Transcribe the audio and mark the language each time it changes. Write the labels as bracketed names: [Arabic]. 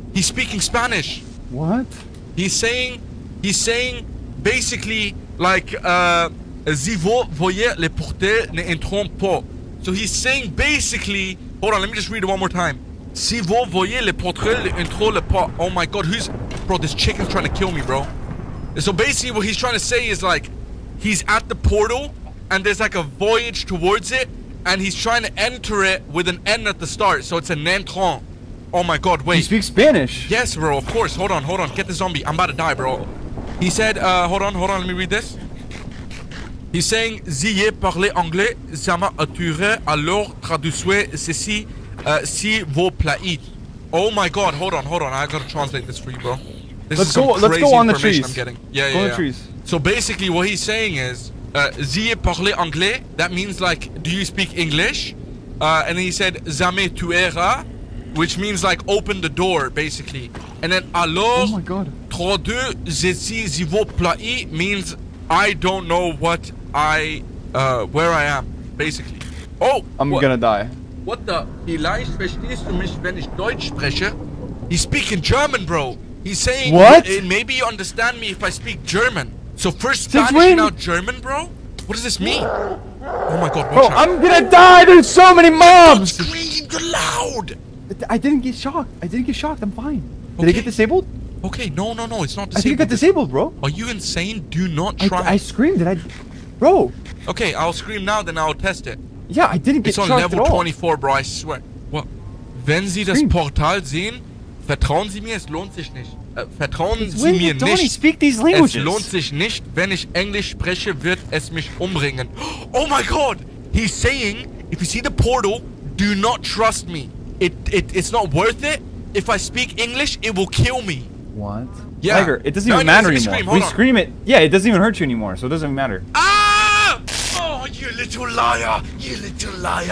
[English] He's speaking Spanish. What? He's saying, He's saying, basically, like, [French] Si vous voyez les portes, ne entrons pas. [English] So he's saying, basically, hold on, let me just read it one more time. [French] Si vous voyez les portes, ne entrons pas. [English] Oh my god, who's... Bro, this chicken's trying to kill me, bro. So basically, what he's trying to say is, like, he's at the portal, and there's, like, a voyage towards it, and he's trying to enter it with an N at the start, so it's an entrant. Oh my god, wait. He speaks Spanish. Yes, bro, of course. Hold on, hold on. Get the zombie. I'm about to die, bro. He said, hold on, hold on. Let me read this. [French] He's saying, Si vous parlez anglais, ça m'a attiré, alors traduisez ceci, si vous plaît. [English] Oh my god, hold on, hold on. I gotta translate this for you, bro. This let's is go, some let's crazy go on information the trees. I'm getting. Yeah, yeah, go on yeah. The trees. So basically what he's saying is, [French] Si vous parlez anglais, [English] that means like, do you speak English? And then he said, [French] Jamais tu iras, [English] which means like, open the door, basically. And then, alors, oh my god. [French] Traduisez ceci, s'il vous plaît, [English] means, I don't know what I, where I am, basically. Oh! I'm gonna die. What the? [German] Vielleicht verstehst du mich, wenn ich Deutsch spreche? [English] He's speaking German, bro. He's saying, what? Maybe you understand me if I speak German. So first Spanish, now German, bro? What does this mean? Oh my god, watch out. I'm gonna die! There's so many mobs! Don't scream loud! I didn't get shocked. I didn't get shocked. I'm fine. Did I get disabled? Okay, no. It's not disabled. I think you got disabled, bro. Are you insane? Do not try. I screamed. Did I? Bro. Okay, I'll scream now, then I'll test it. Yeah, I didn't get shocked at all. It's on level 24, bro. I swear. What? [German] Wenn Sie das Portal sehen, vertrauen Sie mir, es lohnt sich nicht. Vertrauen Sie mir nicht. [English] Don't I speak these languages? [German] Es lohnt sich nicht. Wenn ich Englisch spreche, wird es mich umbringen. [English] Oh my god! He's saying, if you see the portal, do not trust me. It's not worth it. If I speak English, it will kill me. What? Yeah. Liger, it doesn't even matter anymore. We scream it. Yeah, it doesn't even hurt you anymore, so it doesn't matter. Ah! Oh, you little liar. You little liar.